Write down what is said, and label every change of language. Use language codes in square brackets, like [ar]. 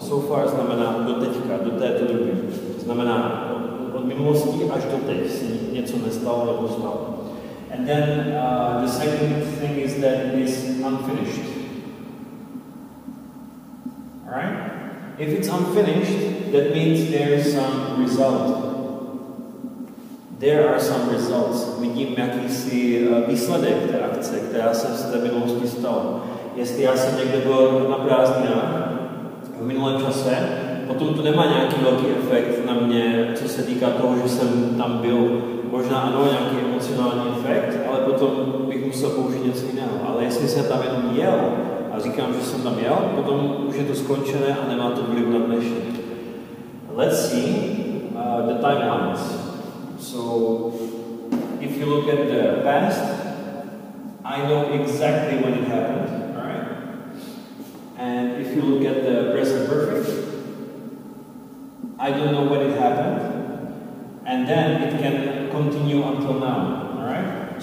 [cs] So far znamená do teďka, do této doby. Znamená od minulosti až do teď se něco nestalo nebo stalo. [en] And then the second thing is that it is unfinished. Alright? If it's unfinished, that means there is some result. There are some results. [cs] Vidím jakýsi výsledek té akce, která se v té minulosti stala. Jestli já jsem někde byl na prázdninách v minulém čase, potom to nemá nějaký velký efekt na mě, co se týká toho, že jsem tam byl. Možná ano, nějaký emocionální efekt, ale potom bych musel použít něco jiného. Ale jestli jsem tam jenom jel a říkám, že jsem tam jel, potom už je to skončené a nemá to vliv na dnešek. [en] Let's see the timelines. So, if you look at the past, I know exactly when it happened, alright? And if you look at the present perfect, I don't know when it happened, and then it can continue until now, alright?